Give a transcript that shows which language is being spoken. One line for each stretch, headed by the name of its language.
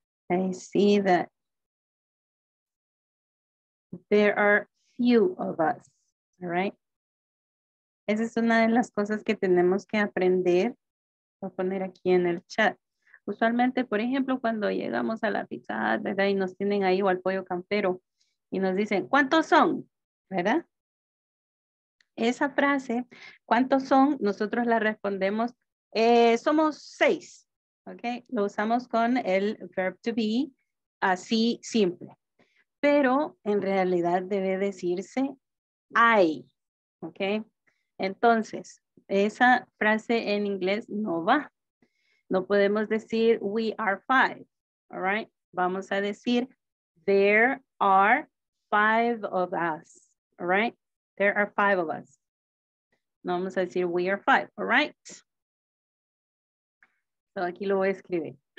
English: I see that there are few of us, right?
Spanish: Esa es una de las cosas que tenemos que aprender. Voy a poner aquí en el chat. Usualmente, por ejemplo, cuando llegamos a la pizza, ¿verdad? Y nos tienen ahí o al pollo campero y nos dicen, ¿cuántos son? ¿Verdad? Esa frase, ¿cuántos son? Nosotros la respondemos, somos seis. Okay, lo usamos con el
English: verb to be,
Spanish: así simple. Pero en realidad debe decirse hay. Okay, entonces esa frase en inglés no va. No podemos decir
English: we are five. All right,
Spanish: vamos a decir
English: there are five of us. All right, there are five of us.
Spanish: No vamos a decir
English: we are five. All right.
Spanish: So aquí lo voy a escribir.